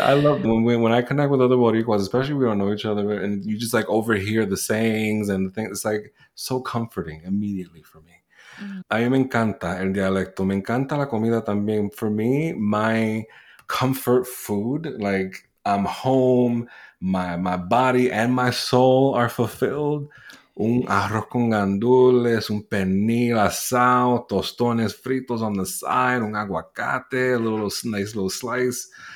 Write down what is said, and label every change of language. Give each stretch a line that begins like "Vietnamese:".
English: I love when I connect with other Boricuas, especially we don't know each other, and you just, like, overhear the sayings and the things. It's, like, so comforting immediately for me. Mm-hmm.
Spanish: A mí me encanta el dialecto. Me encanta la comida también.
English: For me, my comfort food, like, I'm home, my body and my soul are fulfilled.
Spanish: Un arroz con gandules, un pernil asado, tostones fritos
English: on the side,
Spanish: un aguacate,
English: a little nice little slice.